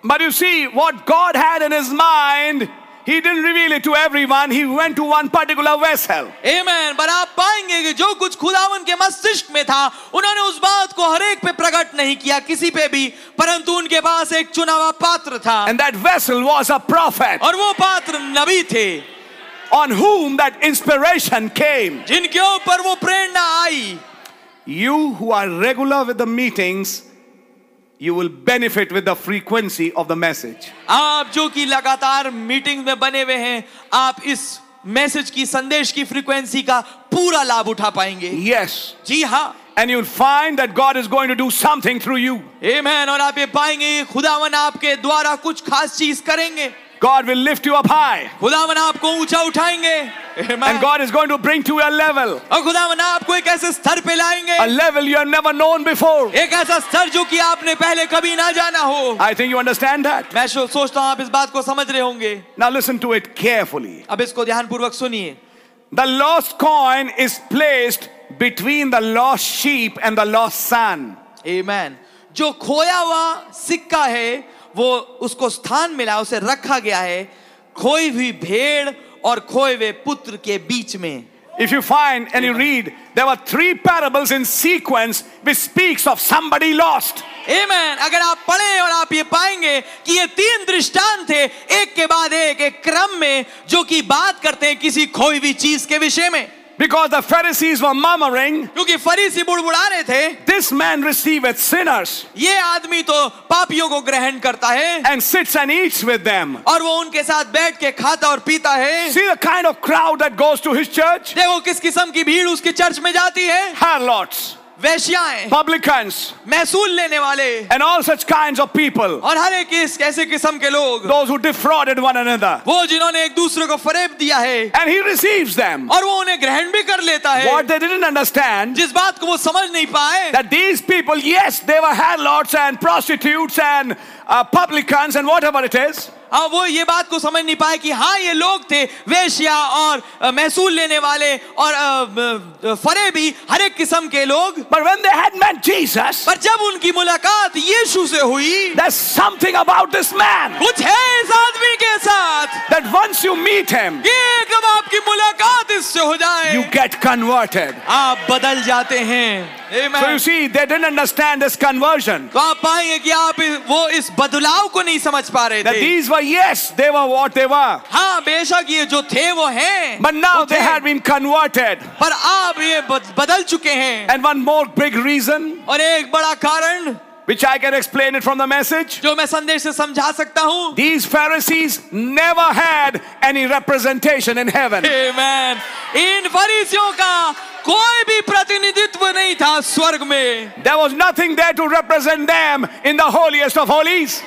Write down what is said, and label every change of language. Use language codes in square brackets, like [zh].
[en] But you see, what God had in his mind, he didn't reveal it to everyone. He went to one particular vessel. Amen. [hi] But आप पाएंगे कि जो कुछ खुदावन के मस्तिष्क में था उन्होंने उस बात को हरेक पे प्रकट नहीं किया किसी पे भी परंतु उनके पास एक चुनावा पात्र था. [en] And that vessel was a prophet. [hi] और वो पात्र नबी थे. [en] On whom that inspiration came. [hi] जिनके ऊपर वो प्रेरणा आई. [en] You who are regular with the meetings, you will benefit with the frequency of the message. [hi] आप जो कि लगातार मीटिंग में बने हुए हैं आप इस मैसेज की संदेश की फ्रीक्वेंसी का पूरा लाभ उठा पाएंगे. [en] Yes. [hi] जी हाँ. [en] And you'll find that God is going to do something through you. Amen. [hi] और आप ये पाएंगे खुदावन आपके द्वारा कुछ खास चीज करेंगे. [en] God will lift you up high. [hi] खुदावन आपको ऊंचा उठाएंगे. [en] And God is going to bring to you a level. [hi] और खुदावन आपको एक ऐसे स्तर पे लाएंगे. [en] A level you have never known before. [hi] एक ऐसा स्तर जो कि आपने पहले कभी ना जाना हो. [en] I think you understand that. [hi] मैं सोचता हूँ आप इस बात को समझ रहे होंगे. [en] Now listen to it carefully. [hi] अब इसको ध्यानपूर्वक सुनिए. [en] The lost coin is placed between the lost sheep and the lost son. Amen. [hi] जो खोया हुआ सिक्का है वो उसको स्थान मिला उसे रखा गया है खोई हुई भेड़ और खोए हुए पुत्र के बीच में. [en] If you find and you read, there were three parables in sequence which speaks of somebody lost. Amen. [hi] अगर आप पढ़ें और आप ये पाएंगे कि ये तीन दृष्टांत थे एक के बाद एक एक क्रम में जो कि बात करते हैं किसी खोई हुई चीज के विषय में. [en] Because the Pharisees were murmuring, [hi] क्योंकि फरीसी बुड़बुड़ा रहे थे, [en] this man receiveth sinners, [hi] ये आदमी तो पापियों को ग्रहण करता है, [en] and sits and eats with them, [hi] और वो उनके साथ बैठ के खाता और पीता है, [en] see the kind of crowd that goes to his church, [hi] देखो किस किस्म की भीड़ उसके चर्च में जाती है, [en] harlots, [hi] वेश्याएं, [en] publicans, [hi] महसूल लेने वाले, [en] and all such kinds of people, [hi] और हर एक इस कैसे किस्म के लोग, [en] those who defrauded one another, [hi] वो जिन्होंने एक दूसरे को फरेब दिया है, [en] and he receives them, [hi] और वो उन्हें ग्रहण भी कर लेता है, [en] what they didn't understand, [hi] जिस बात को वो समझ नहीं पाए, [en] that these people, yes, they were harlots and prostitutes and publicans and whatever it is, [hi] अब वो ये बात को समझ नहीं पाए कि हाँ ये लोग थे वेश्या और महसूल लेने वाले और फरेबी हर एक किस्म के लोग. [en] But when they had met Jesus, [hi] पर जब उनकी मुलाकात यीशु से हुई, [en] there's something about this man. [hi] कुछ है इस आदमी के साथ. [en] That once you meet him, [hi] ये कब आपकी मुलाकात इससे हो जाए, [en] you get converted. [hi] आप बदल जाते हैं. [en] Amen. So you see, they didn't understand this conversion. [hi] तो आप पाएंगे कि आप वो इस बदलाव को नहीं समझ पा रहे थे. [en] These were, yes, they were what they were. [hi] हाँ, बेशक ये जो थे वो हैं. [en] But now they had been converted. [hi] पर आप ये बदल चुके हैं. [en] And one more big reason. [hi] और एक बड़ा कारण. [en] Which I can explain it from the message. [hi] जो मैं संदेश से समझा सकता हूँ. [en] These Pharisees never had any representation in heaven. Amen. [hi] इन फरीसियों का कोई भी प्रतिनिधित्व नहीं था स्वर्ग में. [en] There was nothing there to represent them in the holiest of holies.